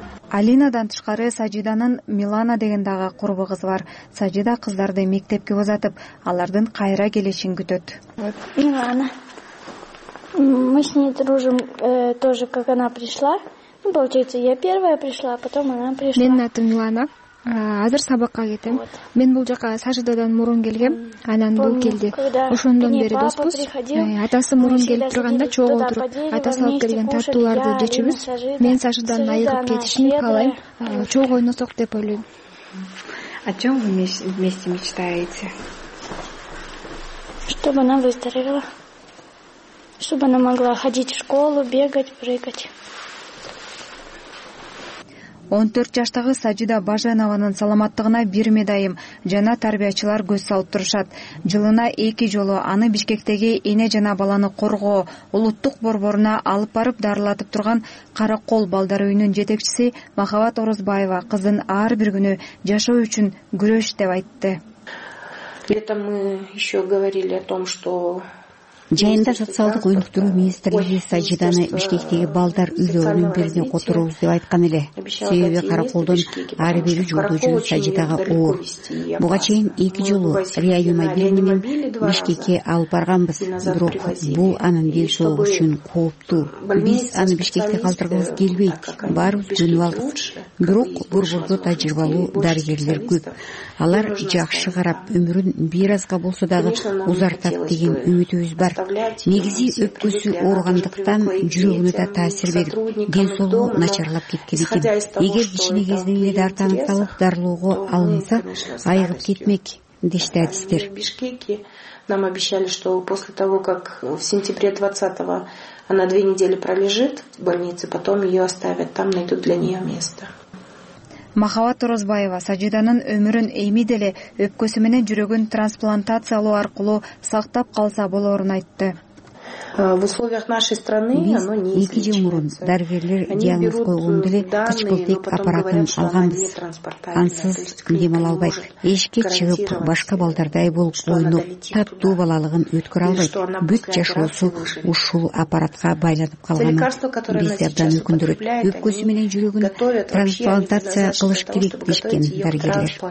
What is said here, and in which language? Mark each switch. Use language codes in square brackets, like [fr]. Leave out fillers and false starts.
[ky] Алинадан тышкары Сажиданын Милана деген дагы курбу кызы бар. Сажида кыздарды мектепке узатып, алардын кайра келишин күтөт. Милана. [ru] Мы с ней дружим тоже, как она пришла. Ну, получается, я первая пришла, а потом она пришла. [ky] Менин атым Милана. Азыр сабакка кетем. Мен бул жака Сажидадан мурун келгем, анан бул келди. Ошондон бери доспуз. Атасы мурун келип турганда чогуу отуруп, атасы алып келген тартууларды жечебиз. Мен Сажидан айырылып кетишин каалайм. Чогуу ойносок деп ойлойм. [ru] О чем вы вместе мечтаете? Чтобы она выздоровела. Чтобы она могла ходить в школу, бегать, прыгать. [ky] 14 жаштагы Сажида Бажанованын саламаттыгына бир медайым жана тарбиячылар көз салып турушат. Жылына 2 жолу аны Бишкектеги эне жана баланы коргоо улуттук борборуна алып барып дарылатып турган Кара кол балдар үйүнүн жетекчиси Махабат Орозбаева кызын ар бир күнү жашоо үчүн күрөш деп айтты. [ru] Летом мы еще говорили о том, что [ky] жайында социалдык өнүктүрүү министрлиги Сажиданы Бишкектеги балдар үйлөрүнүн бирине которобуз деп айткан эле. Себеби караколдун ар бир жолу үчүн Сажидага оор. Буга чейин 2 жолу Рияю мобилини менен Бишкекке алып барганбыз. Бирок бул анын денсаулугу үчүн кооптуу. Биз аны Бишкекте калтыргыбыз келбейт. Баарыбыз жөнөп алдык. Бирок борборду тажрыйбалуу дарыгерлер көп. Алар жакшы карап, өмүрүн бир азга болсо дагы узартат деген үмүтүбүз бар. Негизи өпкөсү ооругандыктан жүрөгүнө да таасир берип, ден соолугу начарлап кеткен экен. Эгер кичине кезден эле дарт аныкталып, дарылоого алынса, айыгып кетмек, дешти адистер. [ru] Нам обещали, что после того, как в сентябре 20-го она 2 недели пролежит в больнице, потом ее оставят, там найдут для нее место. [ky] Махабат Орозбаева Сажиданын өмүрүн эми деле өпкөсү менен жүрөгүн трансплантациялоо аркылуу сактап калса болорун айтты. [ru] В условиях нашей страны оно не изменится. [ky] 2 жыл мурун дарыгерлер диагноз койгон деле кычкылтек аппаратын алганбыз. Ансыз дем ала албайт. Эшикке чыгып башка балдардай болуп ойноп, таттуу балалыгын өткөрө албайт. Бүт жашоосу ушул аппаратка байланып калган. Бизди абдан өкүндүрөт. Өпкөсү менен жүрөгүн трансплантация кылыш керек дешкен дарыгерлер.